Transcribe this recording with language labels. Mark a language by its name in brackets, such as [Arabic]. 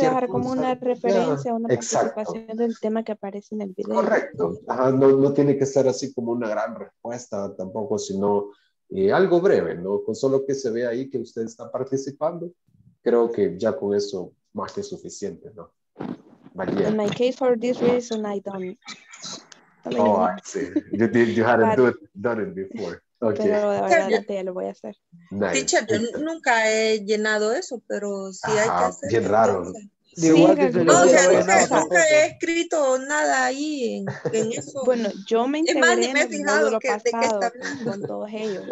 [Spanish] dejar como una referencia, una participación del tema que aparece en el video. Correcto. No tiene que ser así como una gran respuesta tampoco, sino algo breve, ¿no? Con solo que se vea ahí que usted está participando, creo que ya con eso más que suficiente, ¿no? [English] But, yeah. In my case, for this reason, I don't. I see. You hadn't done it before. Okay. [Spanish] Pero de verdad, ya lo voy a hacer. [English] Nice. [Spanish] Teacher, yo nunca he llenado eso, pero sí hay que hacer. Bien raro. Nunca he escrito nada ahí en eso. Bueno, yo me integré en el módulo pasado con todos ellos.